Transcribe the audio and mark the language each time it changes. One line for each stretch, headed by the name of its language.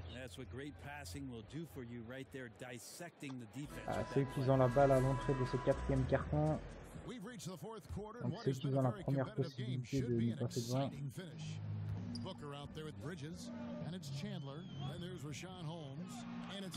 English: That's what great passing will do for you right there, dissecting the defense.
French: Ah, ceux qui ont la balle à l'entrée de ce quatrième carton. Donc ceux qui ont la première possibilité de passer devant.
English: Booker out there with Bridges, and it's Chandler, and there's Rashawn Holmes, and it's